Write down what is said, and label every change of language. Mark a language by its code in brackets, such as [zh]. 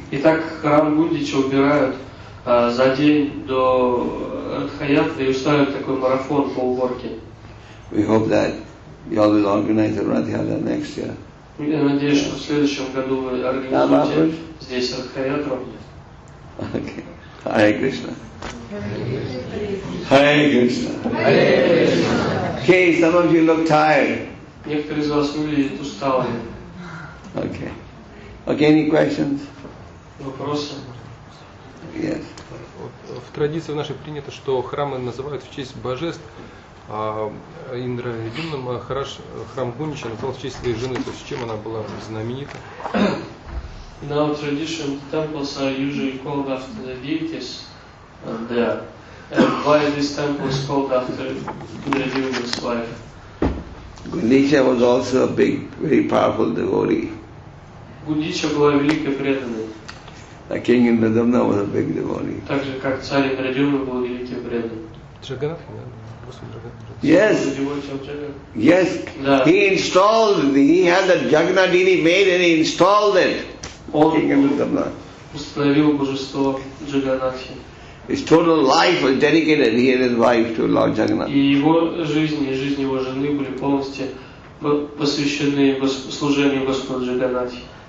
[ru] Итак, храм Гундича убирают за день до Ратха Ятры и устраивают такой марафон по уборке. [en] We hope that you all will organize the Rath Yatra next year. [ru] Я надеюсь, что в следующем году вы организуете здесь Ратха Ятру. [en] Okay. Hare Krishna. Hare Krishna. Hare Krishna. Okay, some of you look tired. [ru] Некоторые из вас выглядят усталыми. [en] Okay. Okay, any questions? [ru] Вопросы? [en] Yes. [ru] В традиции в нашей принято, что храмы называют в честь божеств, а Индра Юмна Махараш, храм Гунича, назвал в честь своей жены, то есть чем она была знаменита? [en] In our tradition, temples are usually called after the deities there. And why this temple is called after Indra Yumna's wife? Gundicha was also a big, very powerful devotee. [ru] Gundicha была великой преданной. [en] The king in Vrindavan was a big devotee. [ru] Так же как царь Индра Юмна был великий преданный. Джаганнат, [en] yes. Yes. [ru] Да. [en] He installed. He had the Jagannath deity made and he installed it. King in Vrindavan. [ru] Установил божество Джаганнатхи. [en] His total life was dedicated, he and his wife, to Lord Jagannath. [ru] И его жизнь, и жизнь его жены были полностью посвящены служению Господу Джаганнатхи.